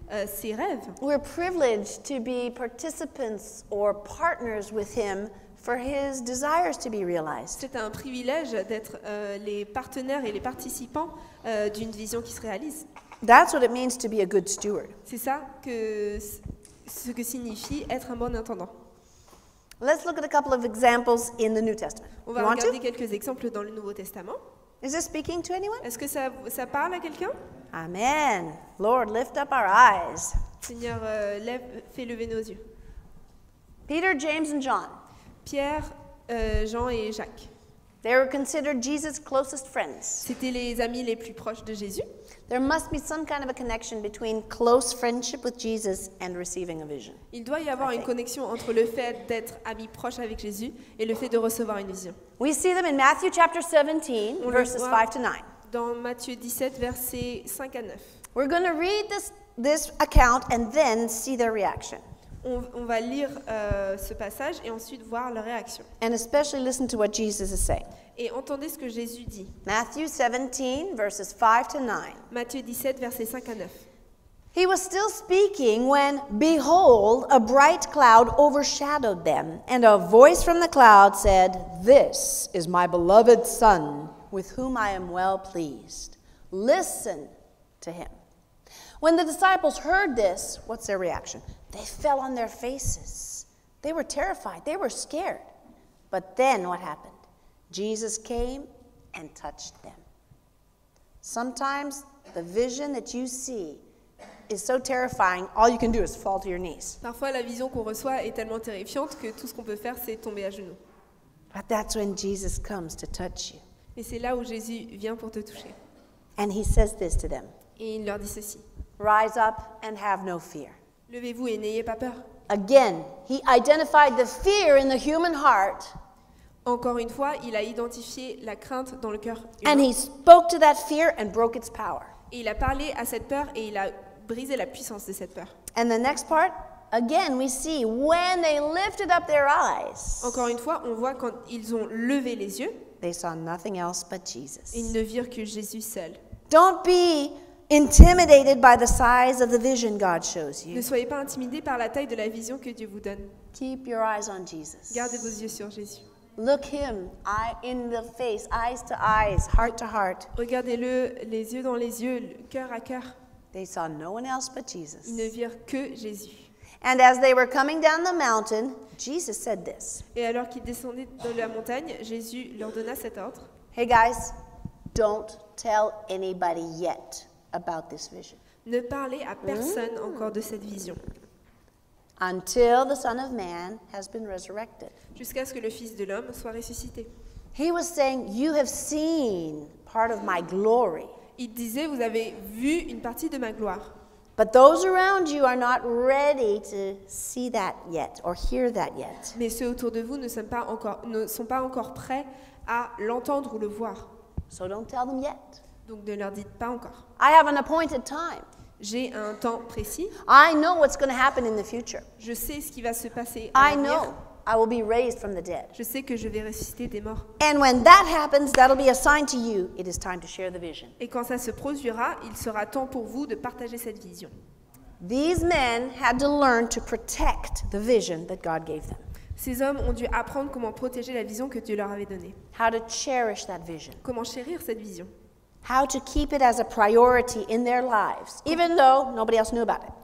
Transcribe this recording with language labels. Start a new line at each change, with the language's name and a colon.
French: ses rêves.
English: We're privileged to be participants or partners with him for his desires to be realized.
French: C'est un privilège d'être les partenaires et les participants d'une vision qui se réalise.
English: That's what it means to be a good steward.
French: C'est ça que ce que signifie être un bon intendant.
English: Let's look at a couple of examples in the New Testament.
French: On va regarder quelques exemples dans le Nouveau Testament.
English: Is this speaking to anyone?
French: Est-ce que ça parle à quelqu'un?
English: Amen. Lord, lift up our eyes.
French: Seigneur, fais lever nos yeux.
English: Peter, James and John.
French: Pierre, Jean et Jacques.
English: They were considered Jesus' closest friends.
French: C'était les amis les plus proches de Jésus.
English: There must be some kind of a connection between close friendship with Jesus and receiving a vision.
French: Il doit y avoir une connexion entre le fait d'être ami proche avec Jésus et le fait de recevoir une vision.
English: We see them in Matthew chapter 17, verses 5 to 9.
French: Dans Matthieu 17, versets 5 à 9.
English: We're going to read this account and then see their reaction.
French: On va lire ce passage et ensuite voir leur réaction.
English: And especially listen to what Jesus is saying.
French: Et entendez ce que Jésus dit.
English: Matthew 17, verses 5 to 9.
French: Matthieu 17, versets 5 à 9.
English: He was still speaking when, behold, a bright cloud overshadowed them, and a voice from the cloud said, "This is my beloved Son, with whom I am well pleased. Listen to him." When the disciples heard this, what's their reaction? They fell on their faces. They were terrified. They were scared. But then what happened? Jesus came and touched them. Sometimes the vision that you see is so terrifying, all you can do is fall to your knees.
French: Parfois la vision qu'on reçoit est tellement terrifiante que tout ce qu'on peut faire c'est tomber à genoux.
English: But that's when Jesus comes to touch you.
French: Et c'est là où Jésus vient pour te toucher.
English: And he says this to them.
French: Et il leur dit ceci.
English: Rise up and have no fear.
French: Levez-vous et n'ayez pas peur.
English: Again, he identified the fear in the human heart.
French: Encore une fois, il a identifié la crainte dans le cœur humain.
English: And he spoke to that fear and broke its power.
French: Et il a parlé à cette peur et il a brisé la puissance de cette peur.
English: And the next part, again, we see when they lifted up their eyes.
French: Encore une fois, on voit quand ils ont levé les yeux.
English: They saw nothing else but Jesus.
French: Ils ne virent que Jésus seul.
English: Don't be intimidated by the size of the vision God shows you.
French: Ne soyez pas intimidé par la taille de la vision que Dieu vous donne.
English: Keep your eyes on Jesus.
French: Gardez vos yeux sur Jésus.
English: Look him in the face, eyes to eyes, heart to heart.
French: Regardez-le les yeux dans les yeux, cœur à cœur.
English: They saw no one else but Jesus.
French: Ils ne virent que Jésus.
English: And as they were coming down the mountain, Jesus said this.
French: Et alors qu'ils descendaient de la montagne, Jésus leur donna cet ordre.
English: Hey guys, don't tell anybody yet about this vision.
French: Ne parlez à personne encore de cette vision.
English: Until the Son of Man has been resurrected.
French: Jusqu'à ce que le Fils de l'homme soit ressuscité.
English: He was saying, "You have seen part of my glory."
French: Il disait, vous avez vu une partie de ma gloire.
English: But those around you are not ready to see that yet or hear that yet.
French: Mais ceux autour de vous ne sont pas encore prêts à l'entendre ou le voir.
English: So don't tell them yet.
French: Donc ne leur dites pas encore.
English: I have an appointed time.
French: J'ai un temps précis.
English: I know what's going to happen in the future.
French: Je sais ce qui va se passer en l'avenir.
English: I know I will be raised from the dead.
French: Je sais que je vais ressusciter des morts.
English: And when that happens, that'll be a sign to you, it is time to share the vision.
French: Et quand ça se produira, il sera temps pour vous de partager cette vision.
English: These men had to learn to protect the vision that God gave them.
French: Ces hommes ont dû apprendre comment protéger la vision que Dieu leur avait donnée.
English: How to cherish that vision.
French: Comment chérir cette vision.
English: How to keep it as a priority in their lives, even though nobody else knew about it.